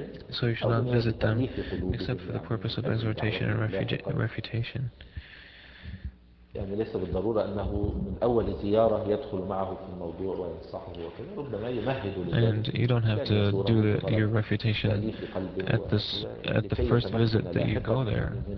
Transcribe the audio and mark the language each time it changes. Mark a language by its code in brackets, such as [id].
[en] So you should not visit them except for the purpose of exhortation and refutation. [ar] يعني ليس بالضرورة أنه من أول زيارة يدخل معه في الموضوع وينصحه وكذا ربما يمهد لذلك. [en] And you don't have to do your refutation at the first visit that you go there.